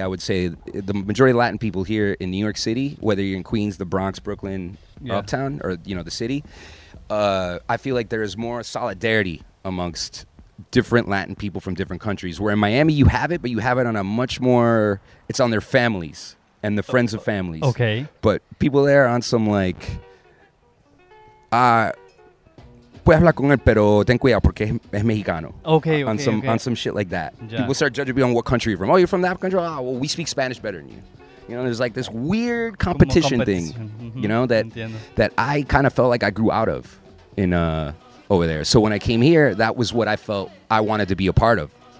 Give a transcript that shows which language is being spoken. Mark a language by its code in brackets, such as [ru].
[en] I would say the majority of Latin people here in New York City, whether you're in Queens, the Bronx, Brooklyn, Uptown, or you know the city, I feel like there is more solidarity amongst different Latin people from different countries. Where in Miami, you have it, but you have it on a much more. It's on their families and the friends of families. Okay, but people there are on some like. [es] Puedes hablar con él, pero ten cuidado porque es mexicano. [en] Okay, on some shit like that. Yeah. People start judging me on what country you're from. Oh, you're from that country? Oh, well, we speak Spanish better than you. You know, there's like this weird competition thing, you know, that I kind of felt like I grew out of in over there. So when I came here, that was what I felt I wanted to be a part of.